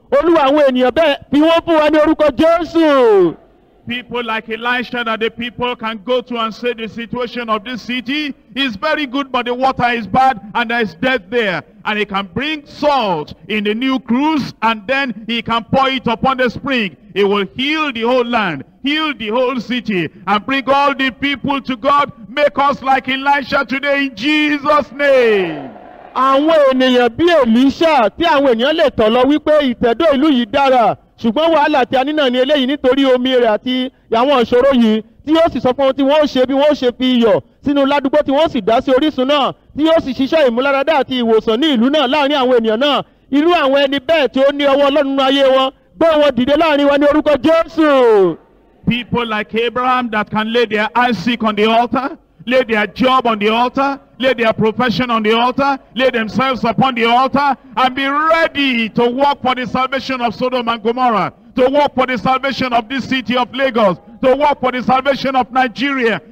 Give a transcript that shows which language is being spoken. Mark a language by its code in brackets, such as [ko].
[yo] Olúwa àwọn ènìyàn bẹ́ẹ̀ fi wọ́n fún wa ní orúkọ Jésù. [en] People like Elisha that the people can go to and say the situation of this city is very good, but the water is bad and there is death there. And he can bring salt in the new cruise and then he can pour it upon the spring. It will heal the whole land, heal the whole city, and bring all the people to God. Make us like Elisha today in Jesus' name. [yo] Àwọn ènìyàn bí Elisha tí àwọn ènìyàn lè tọ̀ lọ wípé ìtẹ̀dọ̀ ìlú yìí dára. Ṣùgbọ́n wàhálà àti àníná ni eléyìí nítorí omi rẹ̀ àti àwọn ìṣòro yìí tí yóò sì sọ fún ti wọ́n ṣe bí wọ́n ṣe fi iyọ̀ sínú ládùúgbò tí wọ́n sì dá sí orísun náà tí yóò sì ṣiṣẹ́ ìmúláradá àti ìwòsàn ní ìlú náà láàrin àwọn ènìyàn náà. Irú àwọn ẹni bẹ́ẹ̀ tí ó ní ọwọ́ Ọlọ́run nínú ayé wọn gbé wọn dìde láàrin wọn ní orúkọ Jésù. [en] People like Abraham that can lay their Isaac on the altar, lay their job on the altar, lay their profession on the altar, lay themselves upon the altar, and be ready to work for the salvation of Sodom and Gomorrah, to work for the salvation of this city of Lagos, to work for the salvation of Nigeria.